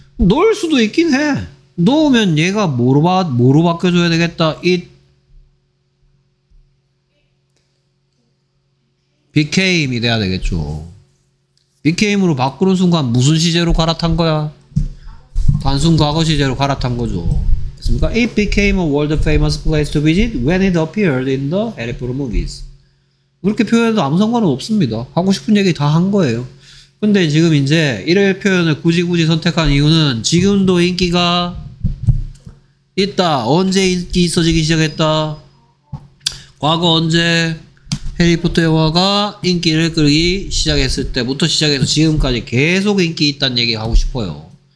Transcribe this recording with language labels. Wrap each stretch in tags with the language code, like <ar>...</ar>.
<ko>넣을 수도 있긴 해. 넣으면 얘가 뭐로 바뀌어줘야 되겠다.</ko> <en>It became</en> <ko>이 돼야 되겠죠. became으로 바꾸는 순간 무슨 시제로 갈아탄 거야? 단순 과거 시제로 갈아탄 거죠. 됐습니까?</ko> <en>It became a world famous place to visit when it appeared in the Harry Potter movies.</en> <ko>그렇게 표현해도 아무 상관은 없습니다. 하고 싶은 얘기 다 한 거예요. 근데 지금 이제 이런 표현을 굳이 선택한 이유는 지금도 인기가 있다. 언제 인기 있어지기 시작했다? 과거 언제 해리포터 영화가 인기를 끌기 시작했을 때부터 시작해서 지금까지 계속 인기 있다는 얘기 하고 싶어요.</ko>